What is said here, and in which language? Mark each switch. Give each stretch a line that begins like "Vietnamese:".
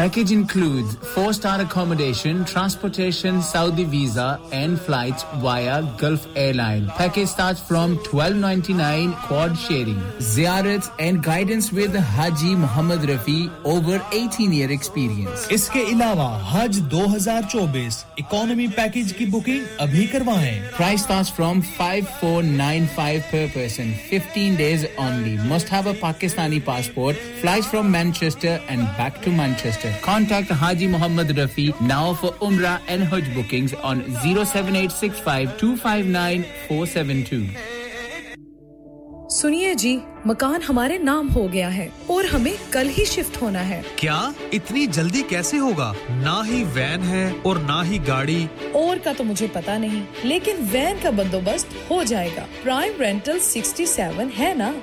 English: package includes 4 star accommodation transportation Saudi visa and flights via Gulf airline package start from 1299 quad sharing ज़ियारत and guidance with Haji Mohammad Rafi over 18 year experience
Hindi: इसके अलावा हज 2024 economy package की booking अभी करवाएं
English: price starts from 5495 per person 15 days only must have a pakistani passport flies from manchester and back to manchester contact haji mohammad rafi now for umrah and hajj bookings on 0786525972
Hindi: सुनिए जी मकान हमारे नाम हो गया है और हमें कल ही शिफ्ट होना है क्या इतनी जल्दी कैसे होगा ना ही वैन है और ना ही गाड़ी और का तो मुझे पता नहीं लेकिन वैन का बंदोबस्त हो जाएगा प्राइम रेंटल 67 है ना